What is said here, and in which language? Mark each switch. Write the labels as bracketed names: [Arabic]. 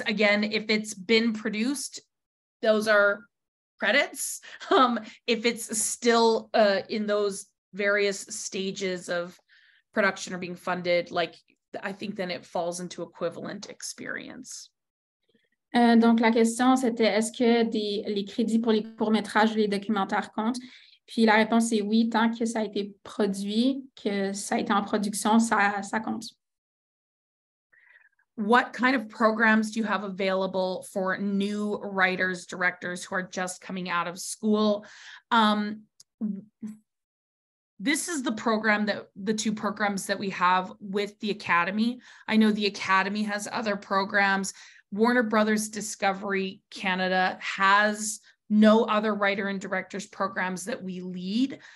[English] Again, if it's been produced, those are credits. If it's still in those various stages of production or being funded, like I think then it falls into equivalent experience. [French] Donc, la question, c'était est-ce que les crédits pour les courts-métrages ou les documentaires comptent? Puis la réponse est oui, tant que ça a été produit, que ça a été en production, ça compte. [English] What kind of programs do you have available for new writers, directors who are just coming out of school? This is the two programs that we have with the Academy. I know the Academy has other programs. Warner Brothers Discovery Canada has no other writer and directors programs that we lead.